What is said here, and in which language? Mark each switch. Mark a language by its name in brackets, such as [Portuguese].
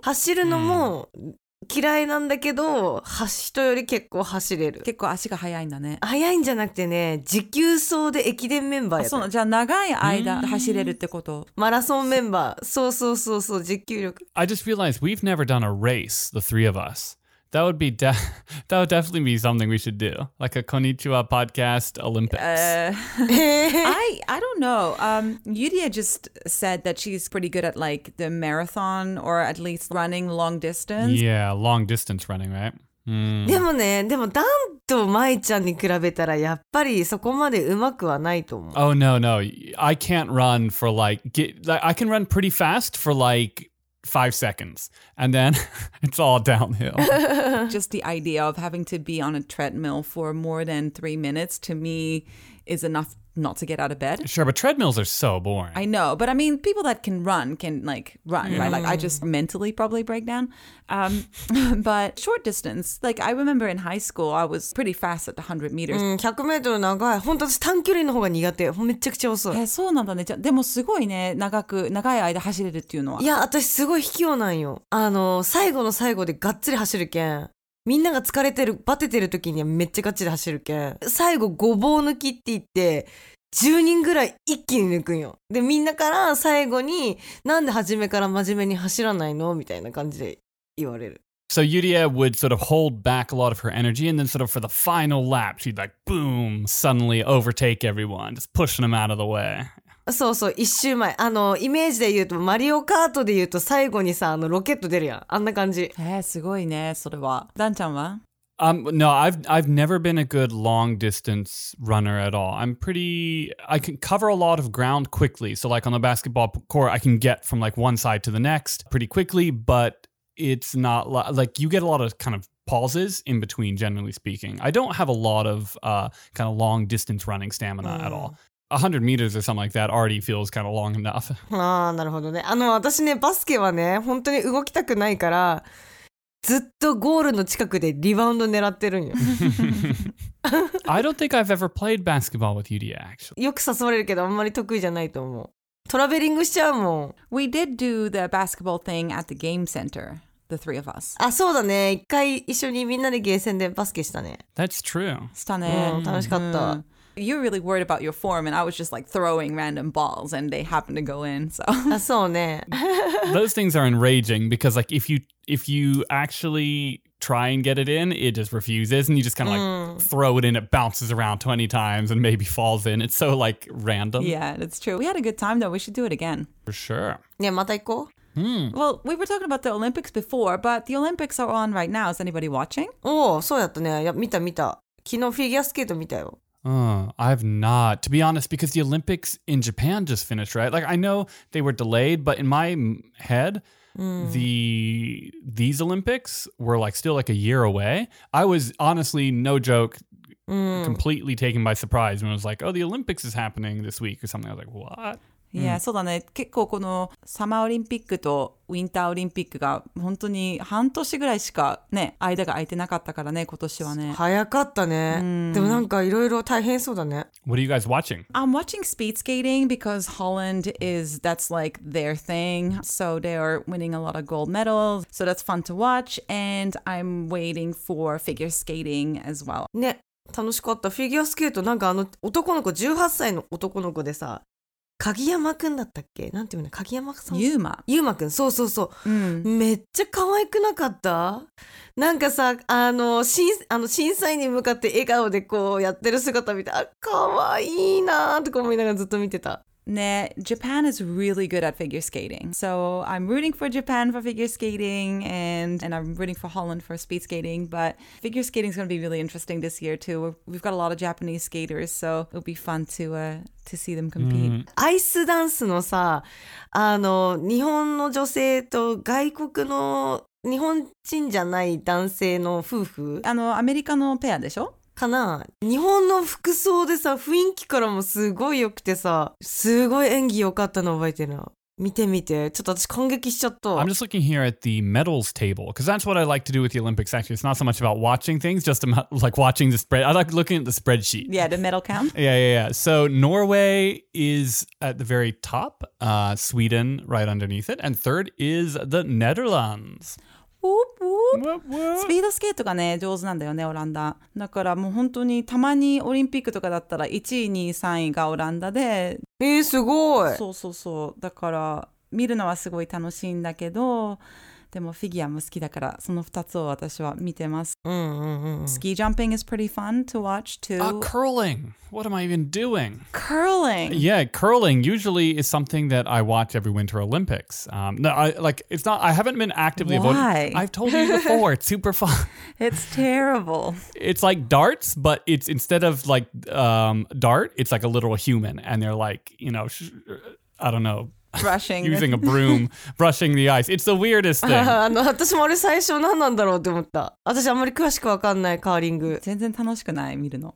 [Japanese] 走るのも、うん嫌いなんだけど、人より結構走れる。結構足が速いんだね。速いんじゃなくてね、持久走で駅伝メンバーやった。そう、じゃあ長い間走れるってこと。マラソンメンバー。そうそうそうそう、持久力。 [English] I just realized we've never done a race, the three of us. That would be that would definitely be something we should do. Like a Konnichiwa podcast Olympics. I don't know. Yuria just said that she's pretty good at like the marathon or at least running long distance. Yeah, long distance running, right? [Japanese] でもね、でもダンとマイちゃんに比べたらやっぱりそこまでうまくはないと思う。 [English] Oh, no, no. I can't run for like, I can run pretty fast for like 5 seconds. And then it's all downhill. Just the idea of having to be on a treadmill for more than 3 minutes to me is enough not to get out of bed. Sure, but treadmills are so boring. I know, but I mean, people that can run can like run, right? Like I just mentally probably break down. But short distance, like I remember in high school, I was pretty fast at the 100 meters. 100 meters [Japanese] 長い。本当私短距離の方が苦手。めちゃくちゃ遅い。そうなんだね。でもすごいね、長い間走れるっていうのは。いや、私すごい卑怯なんよ。最後の最後でがっつり走るけん。みんなが疲れてる、バテてる時にはめっちゃガチで走るけん。最後、ごぼう抜きって言って、10人ぐらい一気に抜くんよ。で、みんなから最後に、なんで初めから真面目に走らないの？みたいな感じで言われる。 [English] So Yuria would sort of hold back a lot of her energy, and then sort of for the final lap, she'd like, boom, suddenly overtake everyone, just pushing them out of the way. [Japanese] そうそう、一周前。イメージで言うと、マリオカートで言うと最後にさ、ロケット出るやん。あんな感じ。すごいね、それは。ダンちゃんは？ [English] No, I've never been a good long distance runner at all. I can cover a lot of ground quickly. So like on the basketball court, I can get from like one side to the next pretty quickly, but it's not like you get a lot of kind of pauses in between, generally speaking. I don't have a lot of kind of long distance running stamina at all. 100 meters or something like that already feels kind of long enough. [Japanese] ああ、なるほどね。私ね、バスケはね、本当に動きたくないから、ずっとゴールの近くでリバウンド狙ってるんよ。 [English] I don't think I've ever played basketball with Yuria, actually. [Japanese] よく誘われるけど、あんまり得意じゃないと思う。トラベリングしちゃうもん。 [English] We did do the basketball thing at the game center, the three of us. [Japanese] あ、そうだね。一回一緒にみんなでゲーセンでバスケしたね。 [English] That's true. [Japanese] したね。楽しかった。 [English] You're really worried about your form, and I was just like throwing random balls, and they happened to go in. So, そうね。 Those things are enraging because, like, if you actually try and get it in, it just refuses, and you just kind of like throw it in, it bounces around 20 times and maybe falls in. It's so like random. Yeah, that's true. We had a good time though. We should do it again. For sure. [Japanese] Yeah, また行こう。 [English] Well, we were talking about the Olympics before, but the Olympics are on right now. Is anybody watching? [Japanese] Oh, そうだったね。いや、見た。昨日フィギュアスケート見たよ。 [English] I've not, to be honest, because the Olympics in Japan just finished, right? Like, I know they were delayed, but in my head, these Olympics were, like, still, like, a year away. I was honestly, no joke, completely taken by surprise when I was like, oh, the Olympics is happening this week or something. I was like, what? [Japanese] いや、うん、そうだね。結構このサマーオリンピックとウィンターオリンピックが本当に半年ぐらいしかね、間が空いてなかったからね、今年はね。早かったね。でもなんかいろいろ大変そうだね。 [English] What are you guys watching? I'm watching speed skating because Holland is, that's like their thing. So they are winning a lot of gold medals. So that's fun to watch. And I'm waiting for figure skating as well. [Japanese] ね、楽しかった。フィギュアスケート、なんかあの男の子、18歳の男の子でさ、鍵山くんだったっけ？なんていうの？鍵山さん？ゆうま。ゆうまくん。そうそうそう。うん、めっちゃ可愛くなかった？なんかさ、あの審査員に向かって笑顔でこうやってる姿見て、あ、可愛いなーとか思いながらずっと見てた。 [English] ね、Japan is really good at figure skating. So I'm rooting for Japan for figure skating and I'm rooting for Holland for speed skating. But figure skating is going to be really interesting this year too. We've got a lot of Japanese skaters, so it'll be fun to see them compete. [Japanese] アイスダンスのさ、あの、日本の女性と外国の日本人じゃない男性の夫婦。あの、アメリカのペアでしょ？かな。日本の服装でさ、雰囲気からもすごい良くてさ、すごい演技良かったの覚えてるの。見て見て。ちょっと私感激しちゃった。 [English] I'm just looking here at the medals table, because that's what I like to do with the Olympics actually. It's not so much about watching things, just about like watching the spread. I like looking at the spreadsheet. Yeah, the medal count. Yeah, yeah, yeah. So Norway is at the very top, Sweden right underneath it, and third is the Netherlands. [Japanese] スピードスケートがね上手なんだよねオランダ。だからもう本当にたまにオリンピックとかだったら1位2位3位がオランダで、すごい。そうそうそう。だから見るのはすごい楽しいんだけど、でもフィギュアも好きだからその2つを私は見てます。 [English] スキージャンピング is pretty fun to watch too. Curling. What am I even doing? Curling. Yeah, curling usually is something that I watch every Winter Olympics. I haven't been actively voting. Why? I've told you before. It's super fun. It's terrible. It's like darts, but it's instead of like dart, it's like a literal human, and they're like, you know, I don't know. Brushing. Using a broom, brushing the ice. It's the weirdest thing. [Japanese] あの、私もあれ最初何なんだろうって思った。私あんまり詳しく分かんない、カーリング。全然楽しくない、見るの。